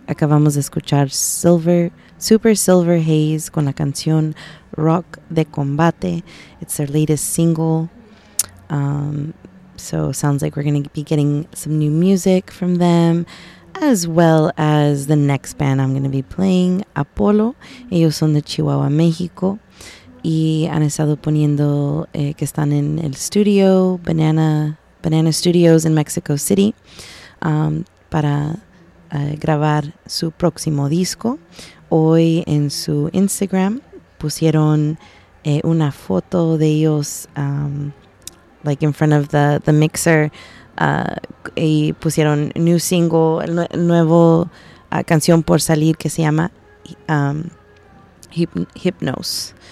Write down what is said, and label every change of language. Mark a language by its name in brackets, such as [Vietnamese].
[Spanish] Acabamos de escuchar Super Silver Haze con la canción Rock de Combate. [English] It's their latest single. So sounds like we're going to be getting some new music from them, as well as the next band I'm going to be playing, Apollo. [Spanish] Ellos son de Chihuahua, México. Y han estado poniendo que están en el studio, Banana Studios in Mexico City, para grabar su próximo disco. Hoy en su Instagram pusieron una foto de ellos, [English] like in front of the mixer, [Spanish] y pusieron [English] new single, [Spanish] nuevo canción por salir que se llama Hypnos.